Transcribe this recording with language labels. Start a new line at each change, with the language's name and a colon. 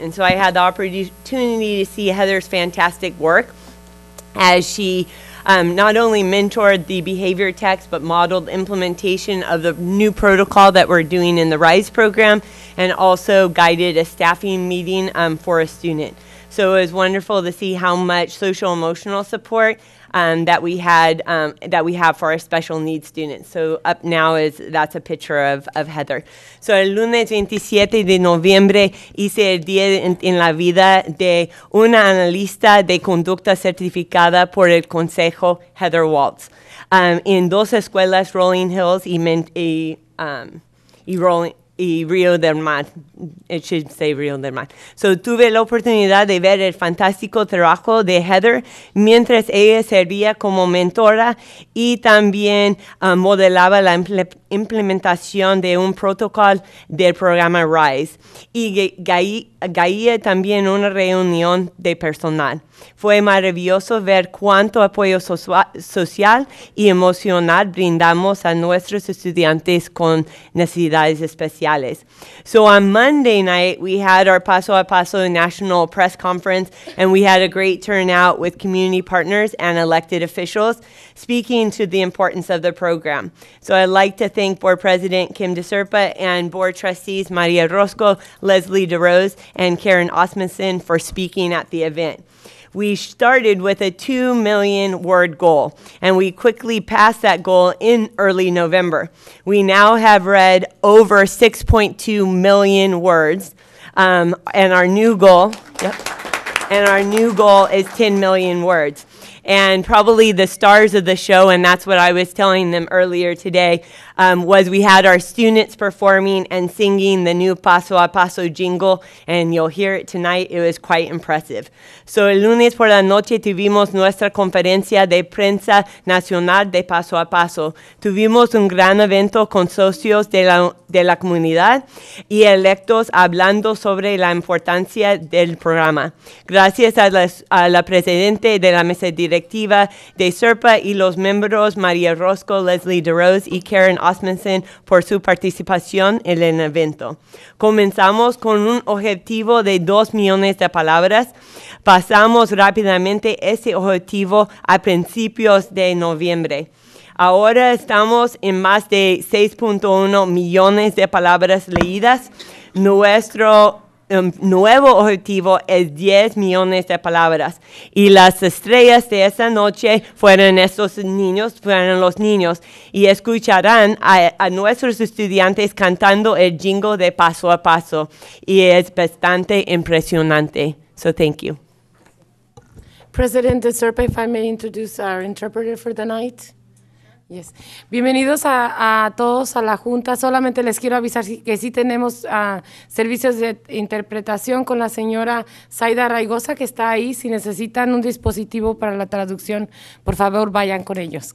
English: And so I had the opportunity to see Heather's fantastic work as she not only mentored the behavior techs, but modeled implementation of the new protocol that we're doing in the RISE program, and also guided a staffing meeting for a student. So it was wonderful to see how much social-emotional support that we had that we have for our special needs students. So up now is that's a picture of Heather.
Spanish: So el lunes 27 de noviembre hice el día en la vida de una analista de conducta certificada por el Consejo Heather Waltz en dos escuelas Rolling Hills y Rio del Mar,
English: it should say Rio del Mar.
Spanish: So tuve la oportunidad de ver el fantástico trabajo de Heather mientras ella servía como mentora y también modelaba la implementación de un protocolo del programa RISE y guía también una reunión de personal. Fue maravilloso ver cuánto apoyo social y emocional brindamos a nuestros estudiantes con necesidades especiales.
English: So on Monday night, we had our Paso a Paso National Press Conference, and we had a great turnout with community partners and elected officials speaking to the importance of the program. So I'd like to thank Board President Kim DeSerpa and Board Trustees Maria Rosco, Leslie DeRose, and Karen Osmussen for speaking at the event. We started with a 2 million word goal, and we quickly passed that goal in early November. We now have read over 6.2 million words, and our new goal is 10 million words. And probably the stars of the show, and that's what I was telling them earlier today, was we had our students performing and singing the new Paso a Paso jingle, and you'll hear it tonight. It was quite impressive.
Spanish: So el lunes por la noche tuvimos nuestra conferencia de prensa nacional de Paso a Paso. Tuvimos un gran evento con socios de la comunidad y electos hablando sobre la importancia del programa. Gracias a la presidente de la mesa directiva de SERPA y los miembros María Rosco, Leslie DeRose y Karen Osmussen por su participación en el evento. Comenzamos con un objetivo de 2 millones de palabras. Pasamos rápidamente ese objetivo a principios de noviembre. Ahora estamos en más de 6.1 millones de palabras leídas. Nuestro nuevo objetivo es 10 millones de palabras. Y las estrellas de esa noche fueron los niños. Y escucharán a nuestros estudiantes cantando el jingle de Paso a Paso. Y es bastante impresionante.
English: So thank you. President DeSerpa, if I may introduce our interpreter for the night. Yes.
Spanish: Bienvenidos a todos a la Junta. Solamente les quiero avisar que sí tenemos servicios de interpretación con la señora Zaida Raigosa, que está ahí. Si necesitan un dispositivo para la traducción, por favor, vayan con ellos.